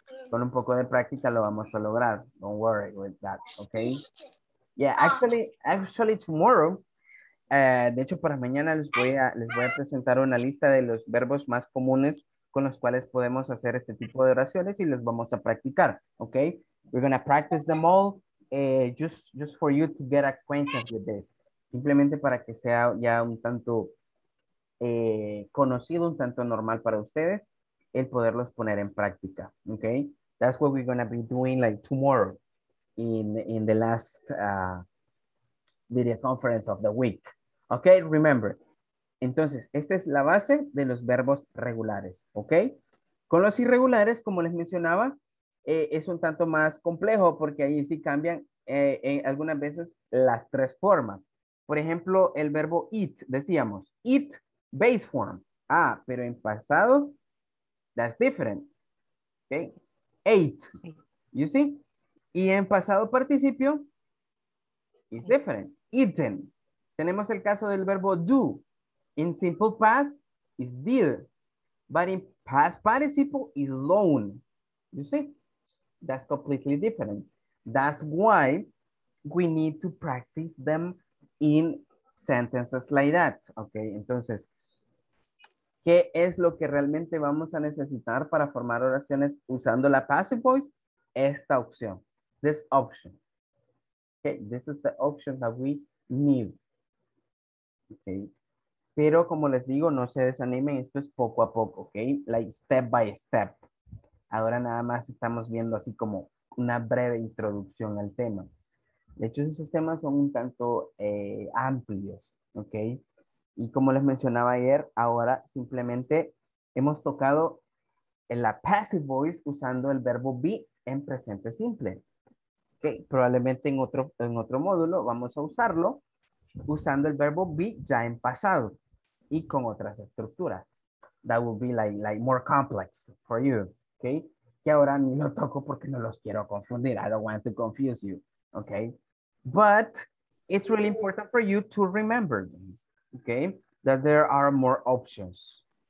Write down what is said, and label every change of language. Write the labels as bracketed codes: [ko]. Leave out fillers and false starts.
[es] Con un poco de práctica lo vamos a lograr. [en] Don't worry with that, okay? Yeah, actually tomorrow, [es] de hecho para mañana les voy a presentar una lista de los verbos más comunes con los cuales podemos hacer este tipo de oraciones y los vamos a practicar, okay? [en] We're going to practice them all just for you to get acquainted with this. [es] Simplemente para que sea ya un tanto conocido, un tanto normal para ustedes. El poderlos poner en práctica, [en] okay? That's what we're going to be doing like tomorrow in the last video conference of the week. Okay, remember. [es] Entonces, esta es la base de los verbos regulares, okay? Con los irregulares, como les mencionaba, es un tanto más complejo porque ahí sí cambian algunas veces las tres formas. Por ejemplo, el verbo eat, decíamos, eat, base form. [en] Ah, [es] pero en pasado, [en] that's different. Okay. Eight. You see? [es] Y en pasado participio, [en] it's different. Eaten. [es] Tenemos el caso del verbo do. [en] In simple past, it's did. But in past participle, it's loan. You see? That's completely different. That's why we need to practice them in sentences like that. Okay. [es] Entonces, ¿qué es lo que realmente vamos a necesitar para formar oraciones usando la passive voice? Esta opción. [en] This option. Okay, this is the option that we need. [es] Okay. Pero como les digo, no se desanimen. Esto es poco a poco. Okay, [en] like step by step. [es] Ahora nada más estamos viendo así como una breve introducción al tema. De hecho, esos temas son un tanto amplios, ¿ok? Y como les mencionaba ayer, ahora simplemente hemos tocado en la passive voice usando el verbo be en presente simple. Okay. Probablemente en otro módulo vamos a usarlo usando el verbo be ya en pasado y con otras estructuras. [en] That will be like more complex for you, okay? [es] Que ahora ni lo toco porque no los quiero confundir. [en] I don't want to confuse you, [es] okay? [en] But it's really important for you to remember, okay, that there are more options.